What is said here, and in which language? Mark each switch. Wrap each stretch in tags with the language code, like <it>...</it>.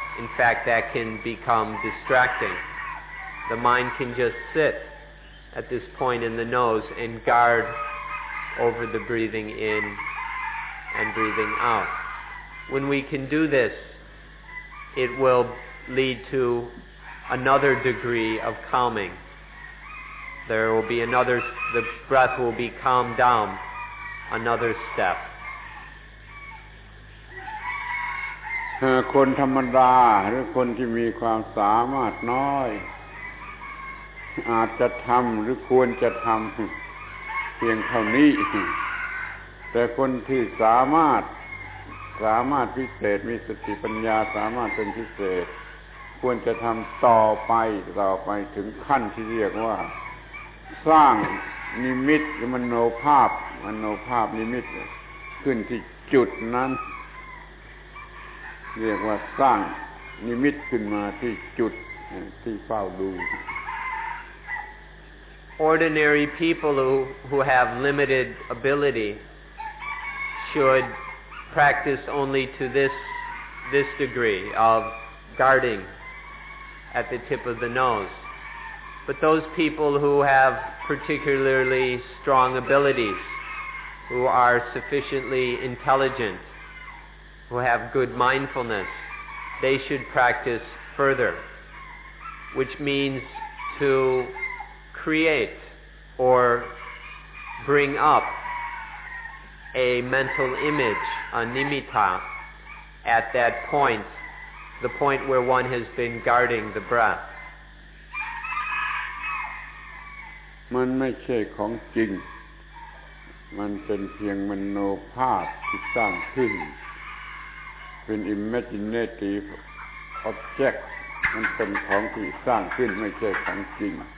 <en>In fact, that can become distracting. The mind can just sit at this point in the nose and guard over the breathing in and breathing out. When we can do this, it will lead to another degree of calming. There will be another, the breath will be calmed down, another step.</en> <th>คนธรรมดาหรือคนที่มีความสามารถน้อยอาจจะทำหรือควรจะทำเพียงเท่านี้แต่คนที่สามารถ พิเศษมีสติปัญญาสามารถเป็นพิเศษควรจะทำต่อไปถึงขั้นที่เรียกว่าสร้างนิมิตหรือมโนภาพนิมิตขึ้นที่จุดนั้นเรียกว่าสร้างนิมิตขึ้นมาที่จุดที่เฝ้าดู</th> <en>Ordinary people who have limited ability should practice only to this degree of guarding at the tip of the nose. But those people who have particularly strong abilities, who are sufficiently intelligent, who have good mindfulness, they should practice further, which means to create or bring up a mental image, a nimitta, at that point, the point where one has been guarding the breath.</en> <th>มันไม่ใช่ของจริงมันเป็นเพียงมโนภาพที่สร้างขึ้นเป็น</th> <en>imaginative object</en> <th>มันเป็นของที่สร้างขึ้นไม่ใช่ของจริง</th>